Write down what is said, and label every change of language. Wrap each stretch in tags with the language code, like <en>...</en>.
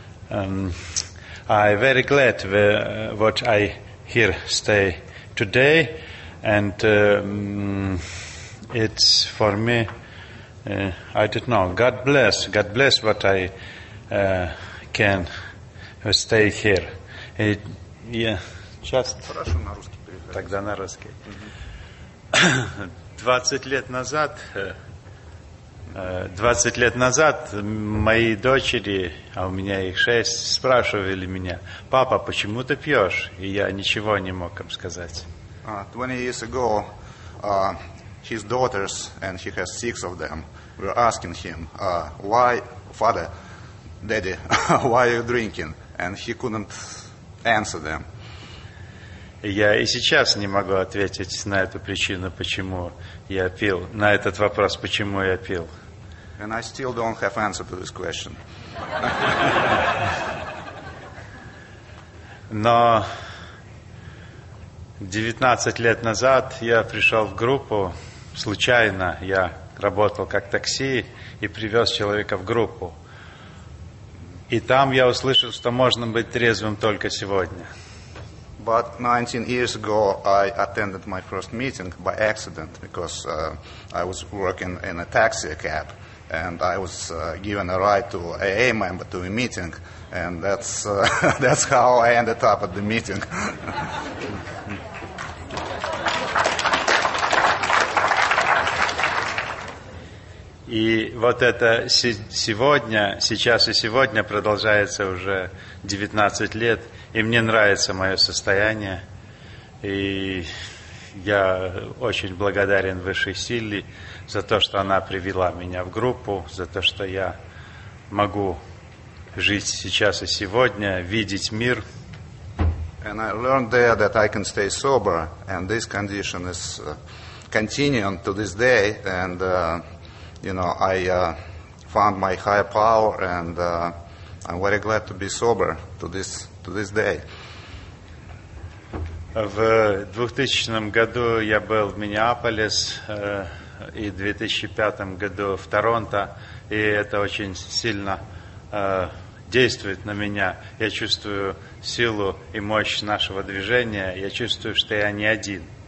<en>I very glad what I here stay today, and it's for me. I don't know. God bless what I can stay here. Just.</en> <ru>Хорошо, на русский перевод. Тогда на русский. 20 лет назад. 20 лет назад мои дочери, а у меня их 6, спрашивали меня: «Папа, почему ты пьешь?» И я ничего не мог им сказать.</ru> <en>20 years ago, his daughters, and he has 6 of them, were asking him, why, father, daddy, why are you drinking? And he couldn't answer them.</en> <ru>Я и сейчас не могу ответить на эту причину, почему я пил, на этот вопрос, почему я пил.</ru> <en>And I still don't have answer to this question.</en> <ru>Но 19 лет назад я пришел в группу случайно. Я работал как такси и привез человека в группу. И там я услышал, что можно быть трезвым только сегодня.</ru> <en>But 19 years ago, I attended my first meeting by accident because I was working in a taxi cab. And I was given a ride to AA member to a meeting, and that's how I ended up at the meeting.</en> <ru>И вот это сегодня, сейчас и сегодня продолжается уже 19 лет, и мне нравится мое состояние, и я очень благодарен высшей силе за то, что она привела меня в группу, за то, что я могу жить сейчас и сегодня, видеть мир.</ru> <en>And I learned there that I can stay sober, and this condition is continuing to this day, and you know, I found my higher power, and I'm very glad to be sober to this day.</en> <ru>В 2000 году я был в Миннеаполис, и в 2005 году в Торонто, и это очень сильно действует на меня. Я чувствую силу и мощь нашего движения, я чувствую, что я не один.</ru>